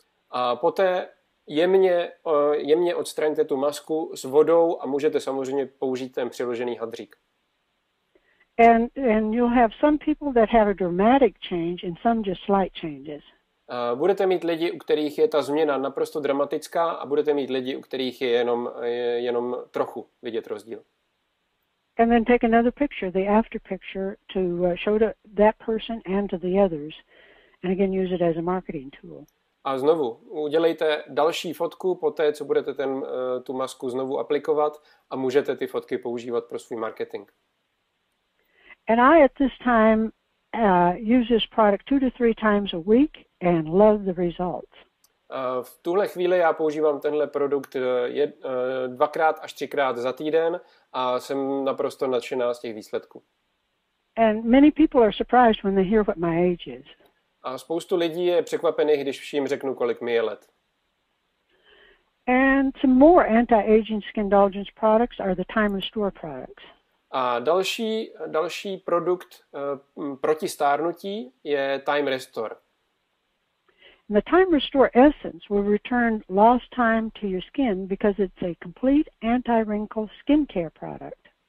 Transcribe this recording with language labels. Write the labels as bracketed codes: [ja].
[cs] A poté jemně odstraňte tu masku s vodou a můžete samozřejmě použít ten přiložený hadřík. [en] And you'll have some people that have a dramatic change and some just slight changes. [cs] Budete mít lidi, u kterých je ta změna naprosto dramatická, a budete mít lidi, u kterých je jenom trochu vidět rozdíl. [en] And then take another picture, the after picture, to show to that person and to the others, and again use it as a marketing tool. [cs] A znovu udělejte další fotku poté, co budete tu masku znovu aplikovat, a můžete ty fotky používat pro svůj marketing. [en] And I at this time use this product 2 to 3 times a week and love the results. [cs] V tuhle chvíli já používám tenhle produkt 2 až 3 za týden a jsem naprosto nadšená z těch výsledků. [en] And many people are surprised when they hear what my age is. [cs] A spoustu lidí je překvapených, když jim řeknu, kolik mi je let. [en] And some more anti-aging skin indulgence products are the Time Restore products. [cs] A další produkt proti stárnutí je Time Restore. [en] The Time Restore essence will return lost time to your skin because it's a complete anti-wrinkle skincare product.